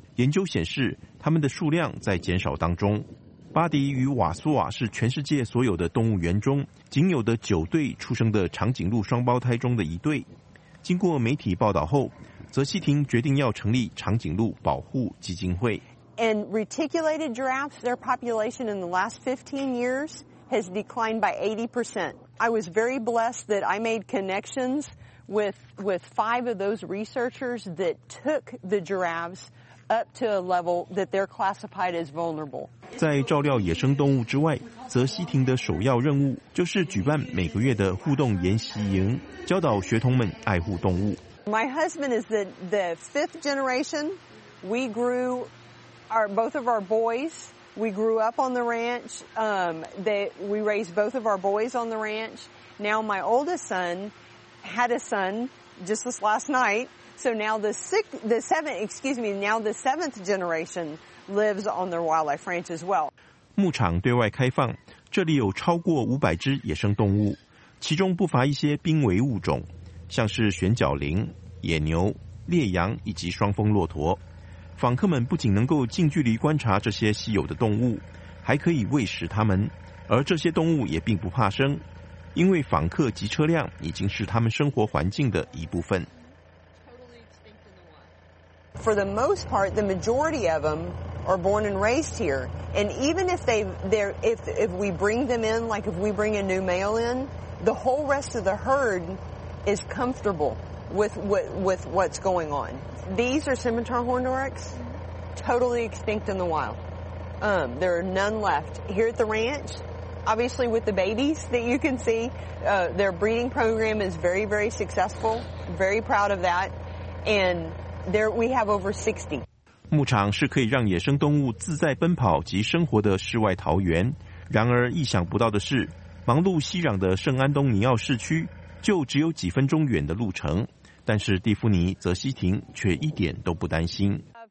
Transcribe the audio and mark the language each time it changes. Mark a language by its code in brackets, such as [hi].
[zh] 研究显示，他们的数量在减少当中。巴迪与瓦苏瓦是全世界所有的动物园中仅有的9对出生的长颈鹿双胞胎中的一对。经过媒体报道后，泽西廷决定要成立长颈鹿保护基金会。 [en] And reticulated giraffes, their population in the last 15 years has declined by 80%. I was very blessed that I made connections with 5 of those researchers that took the giraffes. Up to a level that they're classified as vulnerable. [zh] 在照料野生动物之外，泽西廷的首要任务就是举办每个月的互动研习营，教导学童们爱护动物。 [en] My husband is the fifth generation. We grew our both of our boys. We grew up on the ranch. We raised both of our boys on the ranch. Now my oldest son had a son just this last night. So now the seventh generation lives on their wildlife ranch as well. [zh] 牧场对外开放，这里有超过500只野生动物，其中不乏一些濒危物种，像是旋角羚、野牛、烈羊以及双峰骆驼。访客们不仅能够近距离观察这些稀有的动物，还可以喂食它们，而这些动物也并不怕生，因为访客及车辆已经是它们生活环境的一部分。 [en] For the most part, the majority of them are born and raised here. And even if if we bring them in, like if we bring a new male in, the whole rest of the herd is comfortable with what's going on. These are scimitar horned oryx, totally extinct in the wild. There are none left. Here at the ranch, obviously with the babies that you can see, their breeding program is very, very successful. Very proud of that. And... There we have over 60. [zh] 牧场是可以让野生动物自在奔跑及生活的世外桃源。然而意想不到的是，忙碌熙攘的圣安东尼奥市区就只有几分钟远的路程，但是蒂芙尼·泽西廷却一点都不担心。